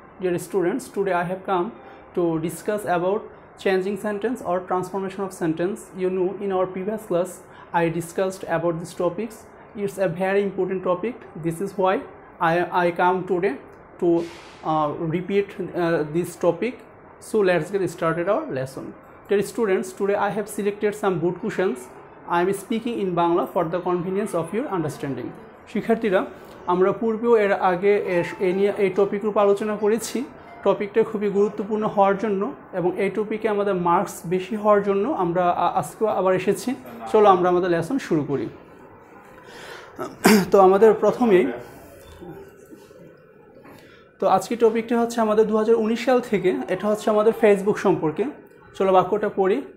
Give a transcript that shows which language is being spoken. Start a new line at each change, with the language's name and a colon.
English: Dear students, today I have come to discuss about changing sentence or transformation of sentence. You know, in our previous class I discussed about this topics. It's a very important topic. This is why I come today to repeat this topic. So let's get started our lesson. Dear students, today I have selected some boot cushions. I am speaking in Bangla for the convenience of your understanding.
Bangla: শিক্ষার্থীরা, আমরা পূর্বেও এর আগে এই টপিকের উপর আলোচনা করেছি। টপিকটা খুবই গুরুত্বপূর্ণ হওয়ার জন্য এবং এই টপিকে আমাদের মার্কস বেশি হওয়ার জন্য আমরা আজকেও আবার এসেছি। চলো আমরা আমাদের লেসন শুরু করি। তো আমাদের প্রথমেই তো আজকের টপিকটা হচ্ছে আমাদের 2019 সাল থেকে, এটা হচ্ছে আমাদের ফেসবুক সম্পর্কে। চলো বাক্যটা পড়ি।